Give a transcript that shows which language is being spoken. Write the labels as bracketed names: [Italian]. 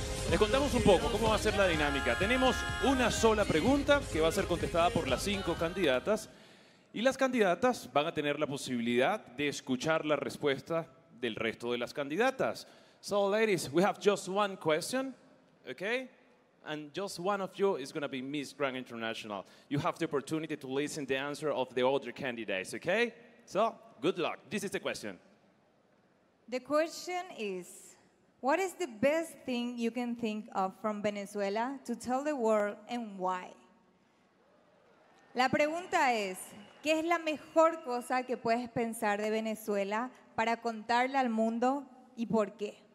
[Spanish] Les contamos un poco cómo va a ser la dinámica. Tenemos una sola pregunta que va a ser contestada por las cinco candidatas y las candidatas van a tener la posibilidad de escuchar la respuesta del resto de las candidatas. [English] So, ladies, we have just one question, okay? and just one of you is going to be Miss Grand International. You have the opportunity to listen to the answer of the other candidates, okay? So, good luck. This is the question. The question is, what is the best thing you can think of from Venezuela to tell the world and why? [Spanish] La pregunta es, ¿qué es la mejor cosa que puedes pensar de Venezuela para contarle al mundo y por qué?